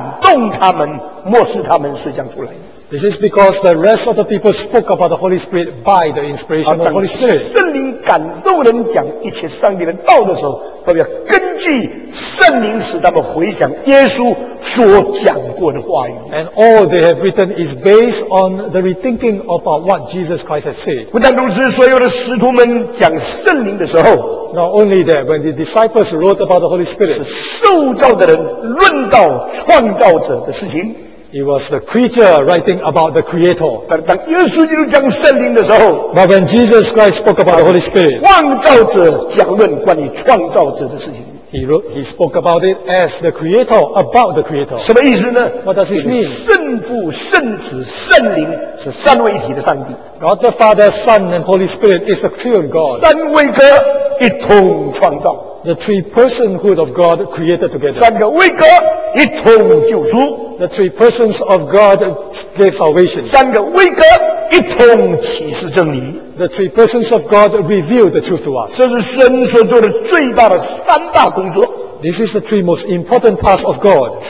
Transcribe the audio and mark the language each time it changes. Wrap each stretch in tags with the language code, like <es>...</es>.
<zh>因为其他的人讲圣灵是因为圣灵感动他们，漠视他们所讲出来的。</zh> <en>This is because the rest of the people spoke about the Holy Spirit by the inspiration of the Holy Spirit.</en> <zh>圣灵感动人讲一切上帝的道的时候，都要根据圣灵使他们回想耶稣所讲过的话语。</zh> <en>And all they have written is based on the rethinking about what Jesus Christ has said.</en> <zh>不但如此，所有的使徒们讲圣灵的时候，</zh> <en>not only that, when the disciples wrote about the Holy Spirit,</en> <zh>是受造的人论到创造者的事情。</zh> <en>It was the creature writing about the creator.</en> <zh>但当耶稣基督讲圣灵的时候,</zh> <en>but when Jesus Christ spoke about the Holy Spirit,</en> <zh>创造者讲论关于创造者的事情,</zh> <en>he spoke about it as the creator, about the creator.</en> <zh>什么意思呢?</zh> <en>What does it mean?</en> <zh>圣父、圣子、圣灵是三位一体的上帝。</zh> <en>God the Father, Son, and Holy Spirit is a triune God.</en> <zh>三位格一同创造。</zh> <en>The three personhood of God created together.</en> <zh>三个位格一同救赎。</zh> <en>The three persons of God gave salvation.</en> <zh>三个位格一同启示真理。</zh> <en>The three persons of God revealed the truth to us.</en> <zh>这是神所做的最大的三大工作。</zh> <en>This is the three most important tasks of God.</en>